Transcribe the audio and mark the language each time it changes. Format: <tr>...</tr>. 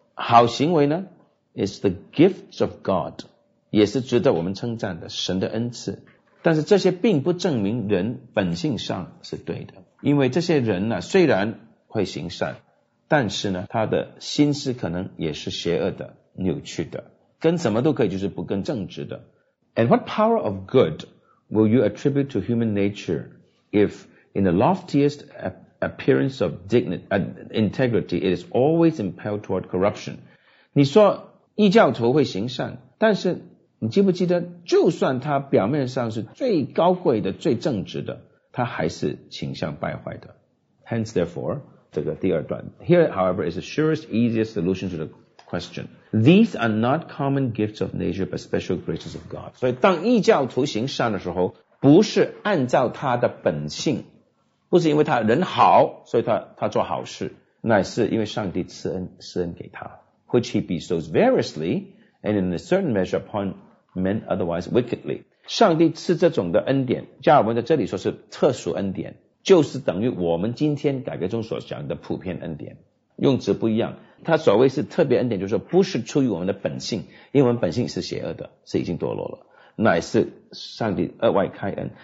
<zh>好行为呢</zh> <en>is the gifts of God，</en> <zh>也是值得我们称赞的，神的恩赐。但是这些并不证明人本性上是对的，因为这些人呢虽然会行善，但是呢他的心思可能也是邪恶的、扭曲的，跟什么都可以，就是不跟正直的。</zh> <en>And what power of good will you attribute to human nature if in the loftiest appearance of dignity and integrity it is always impelled toward corruption？</en> <zh>你说异教徒会行善，但是你记不记得，就算他表面上是最高贵的、最正直的，他还是倾向败坏的。</zh> <en>Hence therefore，</en> <zh>这个第二段</zh> <en>Here however is the surest, easiest solution to the question。 These are not common gifts of nature but special graces of God。</en> <zh>所以当异教徒行善的时候，不是按照他的本性，不是因为他人好所以 他做好事，乃是因为上帝赐恩给他。</zh> <en>Which he bestows variously and in a certain measure upon men otherwise wickedly。</en> <zh>上帝赐这种的恩典，加尔文在这里说是特殊恩典，就是等于我们今天改革中所讲的普遍恩典，用词不一样。他所谓是特别恩典，就是说不是出于我们的本性，因为我们本性是邪恶的，是已经堕落了，乃是上帝额外开恩。</zh>